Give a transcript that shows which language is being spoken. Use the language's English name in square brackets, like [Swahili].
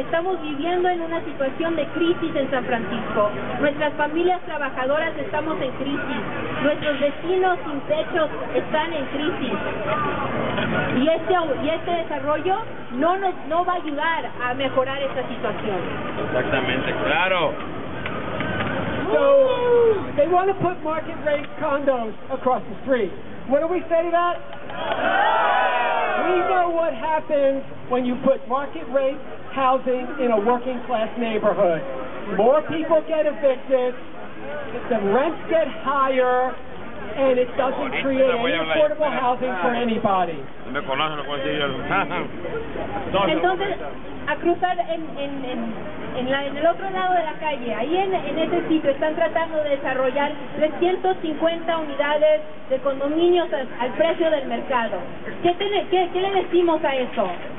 [Spanish] Estamos viviendo en una situación de crisis en San Francisco. Nuestras familias trabajadoras estamos en crisis. Nuestros vecinos sin techos están en crisis. Y este desarrollo no va a ayudar a mejorar esta situación. Exactamente, claro. [English] So, they want to put market rate condos across the street. What do we say to that? No! We know what happens when you put market rate housing in a working class neighborhood. More people get evicted, the rents get higher, and it doesn't create any affordable housing for anybody. [Spanish] Entonces, a cruzar en el otro lado de la calle, ahí en ese sitio, están tratando de desarrollar 350 unidades de condominios al precio del mercado. ¿Qué le decimos a eso?